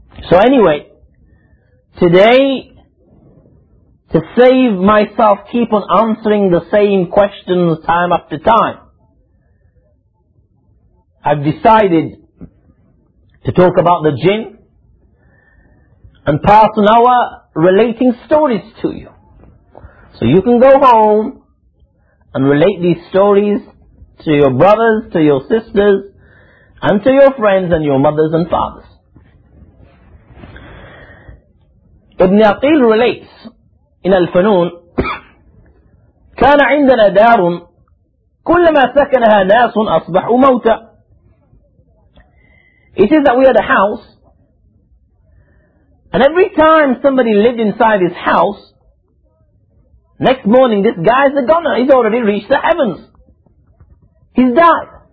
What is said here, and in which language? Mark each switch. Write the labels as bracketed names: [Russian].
[English] So anyway, today, to save myself, keep on answering the same questions time after time, I've decided to talk about the jinn and pass an hour relating stories to you. So you can go home and relate these stories to your brothers, to your sisters, and to your friends and your mothers and fathers. Ibn Aqil relates in Al-Funun, [Arabic] كان عندنا دار كلما سكنها ناس أصبحوا موتى. [English] It is that we had a house, and every time somebody lived inside his house, next morning this guy is a goner, he's already reached the heavens. He's died.